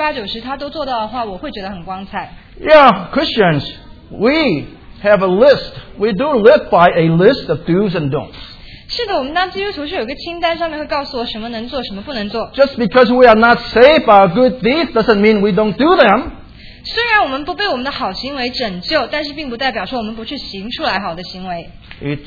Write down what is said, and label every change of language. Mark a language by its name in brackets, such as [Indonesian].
[Chinese] 我作为一个爸爸，我觉得如果我小孩六七八九十他都做到的话，我会觉得很光彩。 [English] Yeah, Christians, we have a list. We do live by a list of do's and don'ts. [Chinese] 是的，我们当基督徒是有一个清单，上面会告诉我什么能做，什么不能做。 [English] Just because we are not saved by our good deeds doesn't mean we don't do them. [Chinese] 虽然我们不被我们的好行为拯救，但是并不代表说我们不去行出来好的行为。 [English] It's